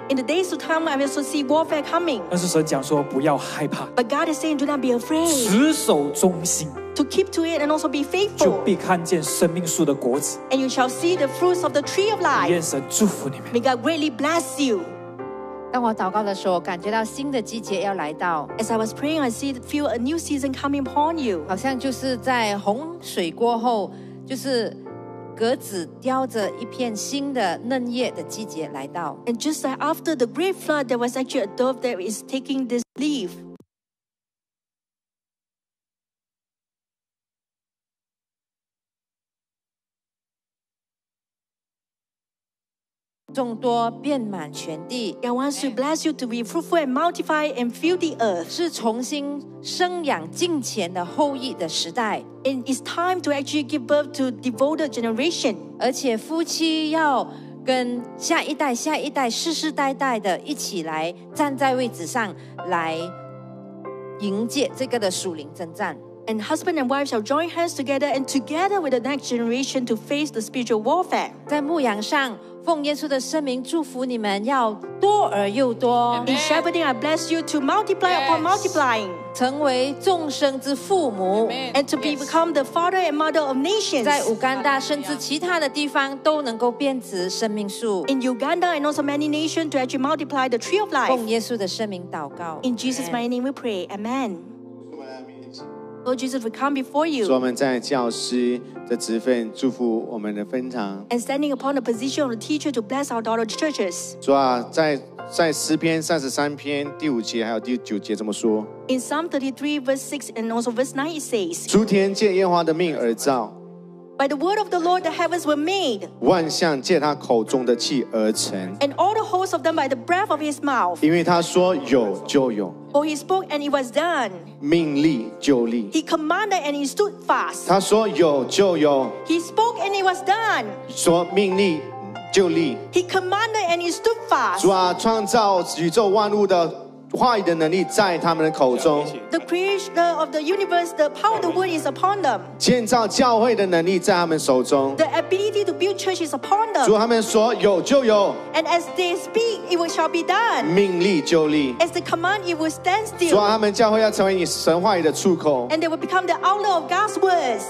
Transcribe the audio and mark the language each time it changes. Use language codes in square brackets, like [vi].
[en] In the days to come, I will see warfare coming. [zh] 但是神讲说不要害怕。 [en] But God is saying, do not be afraid. [zh] 持守忠心。 [en] To keep to it and also be faithful. [zh] 就必看见生命树的果子。 [en] And you shall see the fruits of the tree of life. [zh] 愿神祝福你们。 [en] May God greatly bless you. [zh] 当我祷告的时候，感觉到新的季节要来到。 [en] As I was praying, I see feel a new season coming upon you. [zh] 好像就是在洪水过后，就是格子叼着一片新的嫩叶的季节来到。 [en] And just like after the great flood, there was actually a dove that is taking this leaf. [zh] 众多遍满全地 [en] God wants to bless you to be fruitful and multiply and fill the earth [zh] 是重新生养敬虔的后裔的时代 [en] And it's time to actually give birth to devoted generation [zh] 而且夫妻要跟下一代下一代世世代代的一起来站在位置上来迎接这个的属灵征战 [en] And husband and wife shall join hands together and together with the next generation to face the spiritual warfare. [zh] 在牧羊上，奉耶稣的圣名祝福你们，要多而又多。 [en] In shepherding, I bless you to multiply upon multiplying. [zh] 成为众生之父母。 [en] And to become the father and mother of nations. [zh] 在乌干达甚至其他的地方都能够遍植生命树。 [en] In Uganda and also many nations to actually multiply the tree of life. [zh] 奉耶稣的圣名祷告。 [en] In Jesus' mighty name we pray. Amen. Lord Jesus, we come before you. [zh] 主，我们在教师的职分祝福我们的分堂。 [en] And standing upon the position of the teacher to bless our daughter churches. [zh] 主啊，在诗篇三十三篇第五节还有第九节这么说。 [en] In Psalm 33 verse 6 and also verse 9 it says. [zh] 诸天借耶和华的命而造。 [en] By the word of the Lord, the heavens were made. [zh] 万象借他口中的气而成。 [en] And all the hosts of them by the breath of his mouth. [zh] 因为他说有就有。 [en] For he spoke and it was done. [zh] 命立就立。 [en] He commanded and he stood fast. [zh] 他说有就有。 [en] He spoke and it was done. [zh] 说命立就立。 [en] He commanded and he stood fast. [zh] 主啊，创造宇宙万物的话语的能力在他们的口中。 [en] The creator of the universe, the power of the word is upon them. [zh] 建造教会的能力在他们手中。 [en] The ability to build church is upon them. [zh] 主，他们说有就有。 [en] And as they speak, it shall be done. [zh] 命立就立。 [en] As the command, it will stand still. [zh] 主，他们教会要成为你神话语的出口。 [en] And they will become the outlet of God's words.